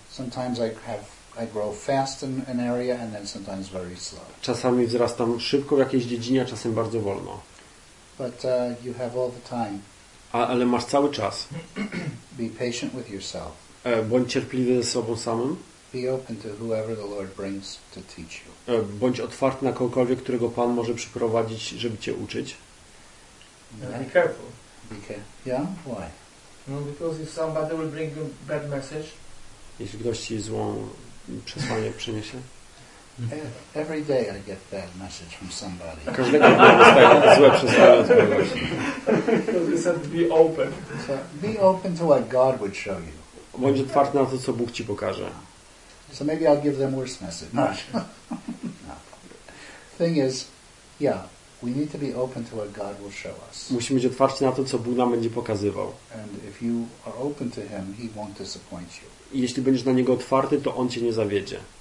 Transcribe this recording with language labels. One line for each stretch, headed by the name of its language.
English: Sometimes I grow fast in an area and then sometimes very slow.
Polish: Czasami wzrastam szybko w jakiejś dziedzinie, a czasem bardzo wolno.
English: But you have all the time.
Polish: Ale masz cały czas.
English: Be patient with yourself.
Polish: Bądź cierpliwy ze sobą samym.
English: Be open to whoever the Lord brings to teach you.
Polish: Bądź otwarty na kogokolwiek, którego Pan może przyprowadzić, żeby cię uczyć.
English: Be careful. Be careful. Yeah? Why? No, because if somebody will bring you a bad message.
Polish: Jeśli ktoś ci złą przesłanie przyniesie.
English: Every day I get bad message from somebody.
Polish: Każdego dnia dostaję złe przesłanie od kogoś.
English: You said be open. So be open to what God would show you.
Polish: Bądź otwarty na to, co Bóg ci pokaże.
English: So maybe I'll give them worse message. No. Thing is, yeah, we need to be open to what God will show us.
Polish: Musimy być otwarci na to, co Bóg nam będzie pokazywał.
English: And if you are open to Him, He won't disappoint you.
Polish: Jeśli będziesz na Niego otwarty, to On cię nie zawiedzie.